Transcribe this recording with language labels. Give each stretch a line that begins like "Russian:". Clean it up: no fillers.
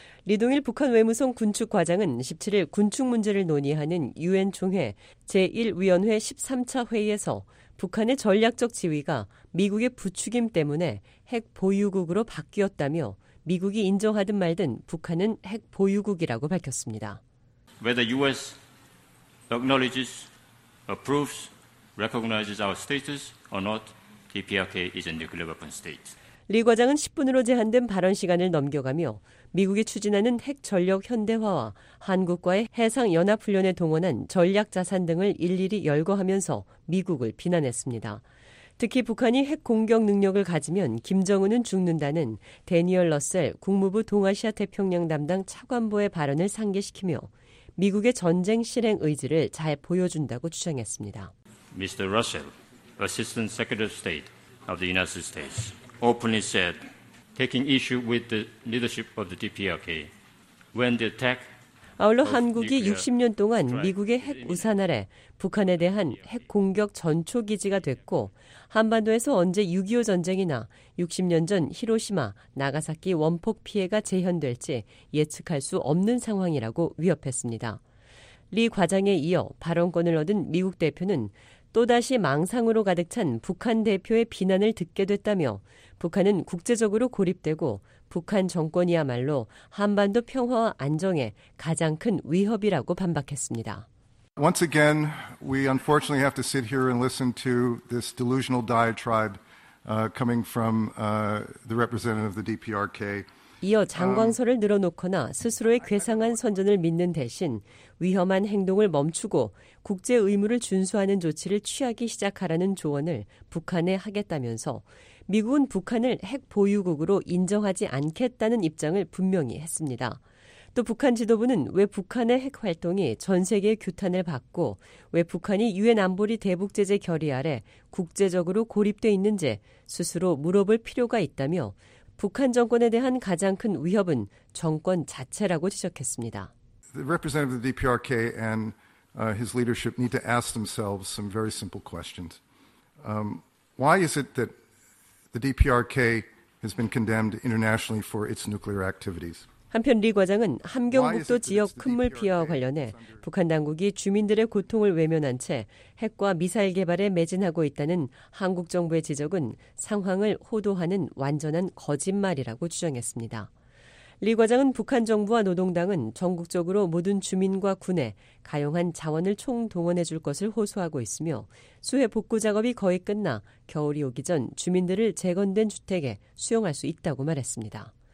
Korean: 리동일 북한 외무성 군축 과장은 17일 군축 문제를 논의하는 유엔 총회 제1위원회 13차 회의에서 북한의 전략적 지위가 미국의 부추김 때문에 핵 보유국으로 바뀌었다며 미국이 인정하든 말든 북한은 핵 보유국이라고 밝혔습니다.
English: Whether U.S. acknowledges, approves, recognizes our status or not, DPRK is a nuclear weapon state.
Korean: 리 과장은 10분으로 제한된 발언 시간을 넘겨가며 미국이 추진하는 핵 전력 현대화와 한국과의 해상 연합 훈련에 동원한 전략 자산 등을 일일이 열거하면서 미국을 비난했습니다. 특히 북한이 핵 공격 능력을 가지면 김정은은 죽는다는 대니얼 러셀 국무부 동아시아 태평양 담당 차관보의 발언을 상기시키며 미국의 전쟁 실행 의지를 잘 보여준다고 주장했습니다.
English: Mr. Russell, Assistant Secretary of State of the United States, openly said, taking issue with the leadership of the DPRK when the attack.
Korean: 아울러 한국이 60년 동안 미국의 핵 우산 아래 북한에 대한 핵 공격 전초기지가 됐고 한반도에서 언제 6.25 전쟁이나 60년 전 히로시마, 나가사키 원폭 피해가 재현될지 예측할 수 없는 상황이라고 위협했습니다. 리 과장에 이어 발언권을 얻은 미국 대표는 또다시 망상으로 가득 찬 북한 대표의 비난을 듣게 됐다며 북한은 국제적으로 고립되고 북한 정권이야말로 한반도 평화와 안정에 가장 큰 위협이라고 반박했습니다.
English: Once again, we unfortunately have to sit here and listen to this delusional diatribe coming from the representative of the DPRK.
Korean: 이어 장광설을 늘어놓거나 스스로의 괴상한 선전을 믿는 대신 위험한 행동을 멈추고 국제 의무를 준수하는 조치를 취하기 시작하라는 조언을 북한에 하겠다면서 미국은 북한을 핵 보유국으로 인정하지 않겠다는 입장을 분명히 했습니다. 또 북한 지도부는 왜 북한의 핵 활동이 전 세계의 규탄을 받고 왜 북한이 유엔 안보리 대북 제재 결의 아래 국제적으로 고립돼 있는지 스스로 물어볼 필요가 있다며 북한 정권에 대한 가장 큰 위협은 정권 자체라고 지적했습니다.
English: The representative of the DPRK and his leadership need to ask themselves some very simple questions. Why is it that the DPRK has been condemned internationally for its nuclear activities?
Korean: 한편 리 과장은 함경북도 지역 큰물 피해와 관련해 북한 당국이 주민들의 고통을 외면한 채 핵과 미사일 개발에 매진하고 있다는 한국 정부의 지적은 상황을 호도하는 완전한 거짓말이라고 주장했습니다. 리 과장은 북한 정부와 노동당은 전국적으로 모든 주민과 군에 가용한 자원을 총동원해 줄 것을 호소하고 있으며 수해 복구 작업이 거의 끝나 겨울이 오기 전 주민들을 재건된 주택에 수용할 수 있다고 말했습니다.